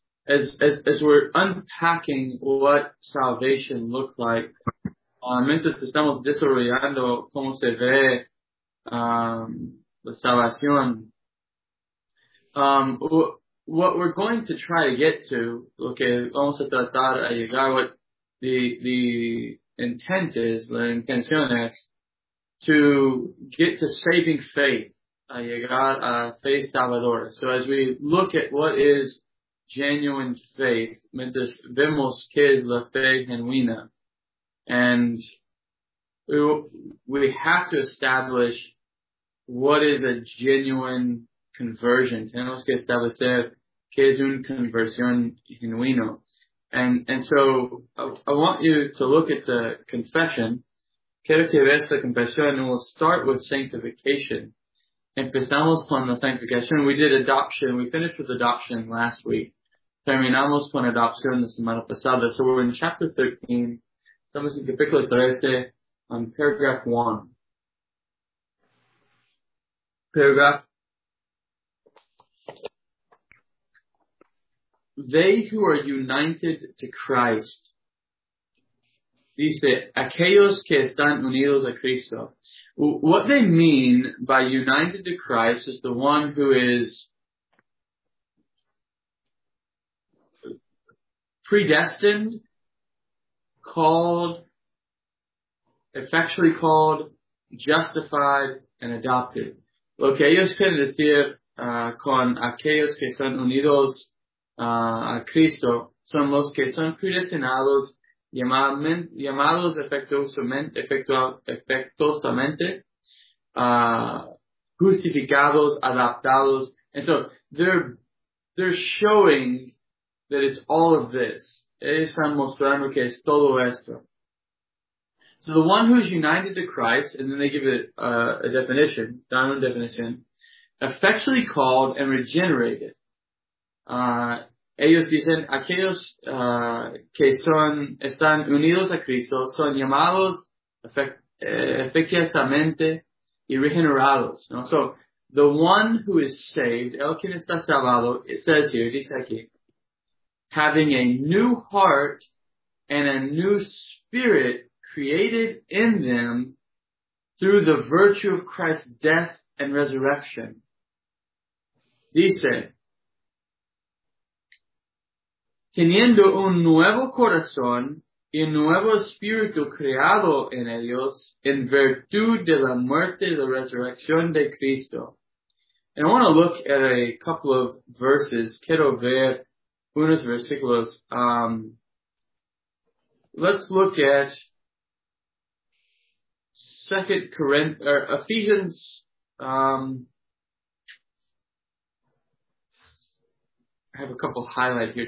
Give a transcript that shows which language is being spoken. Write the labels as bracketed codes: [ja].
[en] As we're unpacking what salvation looked like, [es] mientras estamos desarrollando cómo se ve la salvación, [en] what we're going to try to get to, [es] lo que vamos a tratar a llegar, [en] what the intent is, [es] la intención es, [en] to get to saving faith, [es] a llegar a faith salvadora. [en] So as we look at what is genuine faith, [es] mientras vemos que es la fe genuina, [en] and we have to establish what is a genuine conversion. [es] Tenemos que establecer que es una conversión genuina. [en] And so I want you to look at the confession. [es] Quiero que veas la confesión, [en] and we'll start with sanctification. [es] Empezamos con la sanctificación. [en] We did adoption. We finished with adoption last week. [es] Terminamos con adopción la semana pasada. [en] So we're in chapter 13. [es] Estamos en capítulo 13, [en] on paragraph 1. Paragraph. They who are united to Christ. [es] Dice, aquellos que están unidos a Cristo. [en] What they mean by united to Christ is the one who is predestined, called, effectually called, justified, and adopted. [es] Lo que ellos quieren decir con aquellos que son unidos a Cristo son los que son predestinados, llamados efectuosamente, justificados, adaptados. [en] And so they're showing that it's all of this. [es] Ellos están mostrando que es todo esto. [en] So the one who is united to Christ, and then they give it a definition, diamond definition, effectually called and regenerated. [es] Ellos dicen, aquellos que son están unidos a Cristo son llamados efectivamente y regenerados. ¿No? [en] So the one who is saved, [es] el quien está salvado, [en] it says here, [es] dice aquí, [en] having a new heart and a new spirit created in them through the virtue of Christ's death and resurrection. [es] Dice, teniendo un nuevo corazón y un nuevo espíritu creado en ellos en virtud de la muerte y la resurrección de Cristo. [en] And I want to look at a couple of verses. [es] Quiero ver unos versículos. [en] Let's look at Ephesians, I have a couple highlight here.